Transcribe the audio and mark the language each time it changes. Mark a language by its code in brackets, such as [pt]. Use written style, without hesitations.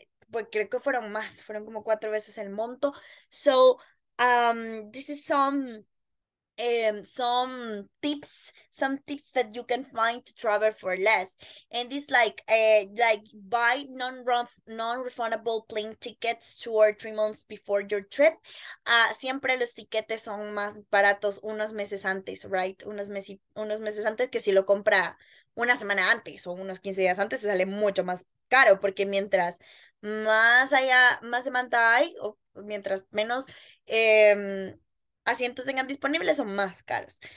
[es] Pues creo que fueron más, fueron como cuatro veces el monto. [en] So, this is some tips that you can find to travel for less. And it's like buy non-refundable plane tickets 2 or 3 months before your trip. [es] Siempre los tiquetes son más baratos unos meses antes, [en] right? [es] Unos meses antes que si lo compra una semana antes o unos 15 días antes, se sale mucho más caro, porque mientras más haya, más demanda hay, o mientras menos asientos tengan disponibles, son más caros.